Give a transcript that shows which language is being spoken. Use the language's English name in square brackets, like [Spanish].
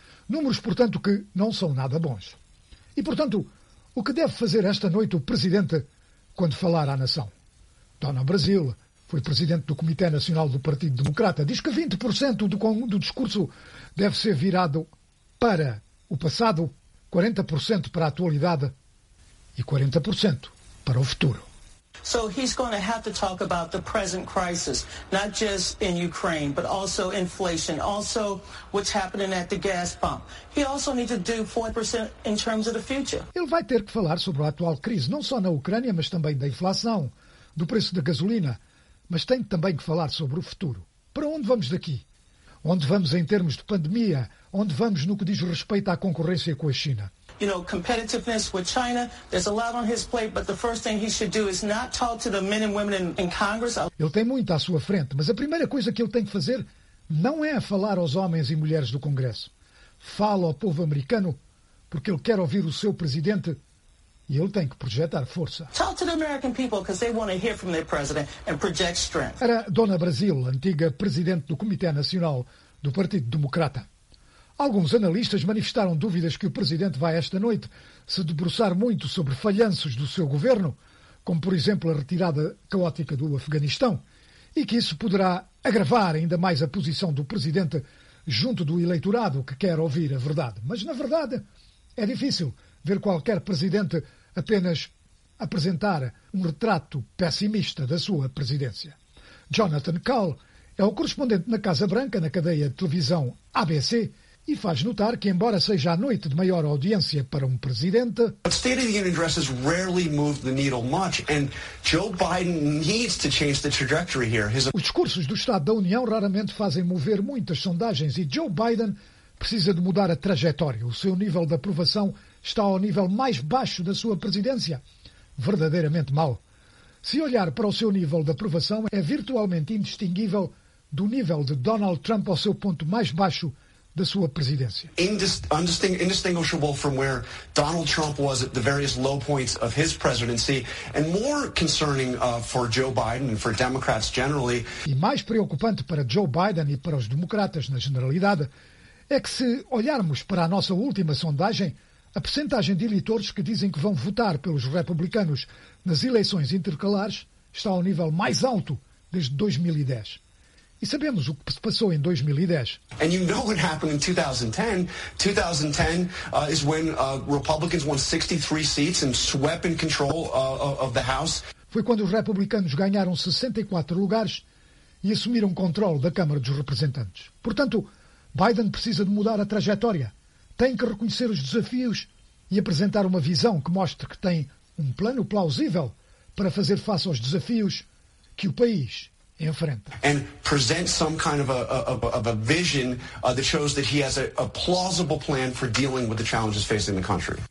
[Portuguese] Números, portanto, que não são nada bons. E, portanto, o que deve fazer esta noite o presidente quando falar à nação? Dona Brasil foi presidente do Comitê Nacional do Partido Democrata, diz que 20% do discurso deve ser virado para o passado, 40% para a atualidade e 40% para o futuro. [English] So he's going to have to talk about the present crisis, not just in Ukraine, but also inflation, also what's happening at the gas pump. He also needs to do 4% in terms of the future. [Portuguese] Ele vai ter que falar sobre a atual crise, não só na Ucrânia, mas também da inflação, do preço da gasolina. Mas tem também que falar sobre o futuro. Para onde vamos daqui? Onde vamos em termos de pandemia? Onde vamos no que diz respeito à concorrência com a China? [English] You know, competitiveness with China, there's a lot on his plate, but the first thing he should do is not talk to the men and women in Congress. [Portuguese] Ele tem muito à sua frente, mas a primeira coisa que ele tem que fazer não é falar aos homens e mulheres do Congresso. Fala ao povo americano, porque ele quer ouvir o seu presidente e ele tem que projetar força. [English] Talk to the American people because they want to hear from their president and project strength. [Portuguese] Era Dona Brasil, antiga presidente do Comitê Nacional do Partido Democrata. Alguns analistas manifestaram dúvidas que o presidente vai esta noite se debruçar muito sobre falhanços do seu governo, como por exemplo a retirada caótica do Afeganistão, e que isso poderá agravar ainda mais a posição do presidente junto do eleitorado que quer ouvir a verdade. Mas, na verdade, é difícil ver qualquer presidente apenas apresentar um retrato pessimista da sua presidência. Jonathan Kahl é o correspondente na Casa Branca, na cadeia de televisão ABC, e faz notar que, embora seja a noite de maior audiência para um presidente, [English] the State of the Union addresses rarely move the needle much, and Joe Biden needs to change the trajectory here. [Portuguese] Os discursos do Estado da União raramente fazem mover muitas sondagens e Joe Biden precisa de mudar a trajetória. O seu nível de aprovação está ao nível mais baixo da sua presidência. Verdadeiramente mal. Se olhar para o seu nível de aprovação, é virtualmente indistinguível do nível de Donald Trump ao seu ponto mais baixo da sua presidência. [English] Indistinguishable from where Donald Trump was at the various low points of his presidency, and more concerning for Joe Biden and for Democrats generally. [Portuguese] E mais preocupante para Joe Biden e para os democratas na generalidade é que, se olharmos para a nossa última sondagem, a percentagem de eleitores que dizem que vão votar pelos republicanos nas eleições intercalares está ao nível mais alto desde 2010. E sabemos o que se passou em 2010. [English] And you know what happened in 2010. 2010 is when Republicans won 63 seats and swept in control of the House. [Portuguese] Foi quando os republicanos ganharam 64 lugares e assumiram controle da Câmara dos Representantes. Portanto, Biden precisa de mudar a trajetória. Tem que reconhecer os desafios e apresentar uma visão que mostre que tem um plano plausível para fazer face aos desafios que o país enfrenta. [English] And present some kind of a vision that shows that he has a plausible plan for dealing with the challenges facing the country.